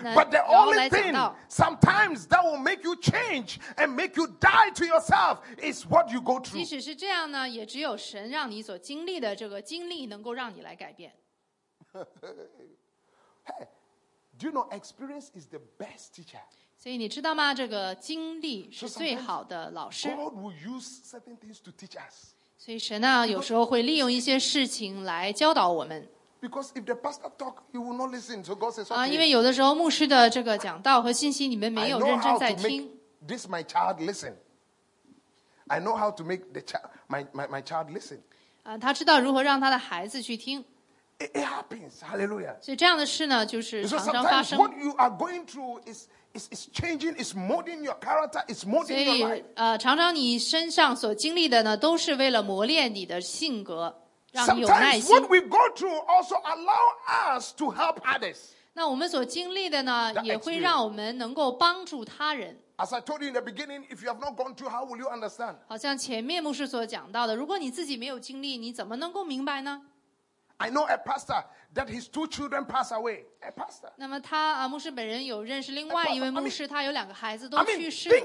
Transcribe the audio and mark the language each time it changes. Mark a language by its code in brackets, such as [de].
[en] But the only thing, sometimes that will make you change and make you die to yourself is what you go through. [zh] 即使是这样呢，也只有神让你所经历的这个经历能够让你来改变。 [en] Hey, do you know experience is the best teacher? [zh] 所以你知道吗？这个经历是最好的老师。 [en] God will use certain things to teach us. [zh] 所以神呢，有时候会利用一些事情来教导我们。 [en] Because if the pastor talk, you will not listen. So God says, "Okay." [zh] 因为有的时候牧师的这个讲道和信息你们没有认真在听。 [en] I know how to make this my child listen. I know how to make the child my child listen. [zh] 他知道如何让他的孩子去听。 [en] It happens. Hallelujah. [zh] 所以这样的事呢，就是常常发生。 [en] So sometimes what you are going through is changing, is molding your character, is molding your life. [zh] 所以常常你身上所经历的呢，都是为了磨练你的性格。 [en] Sometimes what we go through also allow us to help others. [zh] 那我们所经历的呢，也会让我们能够帮助他人。 [en] As I told you in the beginning, if you have not gone through, how will you understand? [zh] 好像前面牧师所讲到的，如果你自己没有经历，你怎么能够明白呢？ [en] I know a pastor that his two children pass away. A pastor. [zh] 那么他牧师本人有认识另外一位牧师， [en] I mean, [zh] 他有两个孩子都去世了。